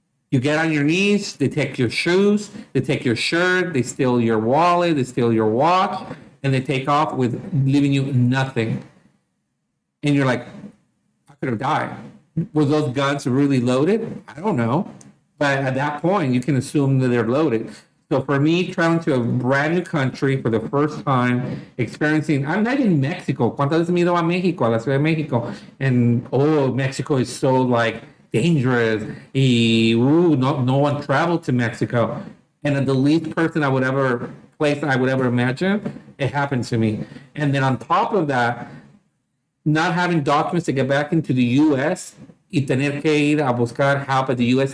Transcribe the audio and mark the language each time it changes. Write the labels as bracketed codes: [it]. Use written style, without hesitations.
[en] You get on your knees, they take your shoes, they take your shirt, they steal your wallet, they steal your watch, and they take off with leaving you nothing. And you're like, I could have died. Were those guns really loaded? I don't know. But at that point, you can assume that they're loaded. So for me, traveling to a brand new country for the first time, experiencing, I'm not in Mexico. [es] ¿Cuántas veces me he ido a México, a la Ciudad de México? [en] And, oh, Mexico is so, like, dangerous. No one traveled to Mexico. And the least person I would ever, place I would ever imagine, it happened to me. And then on top of that, not having documents to get back into the U.S. [es] y tener que ir a buscar [en] help at the U.S.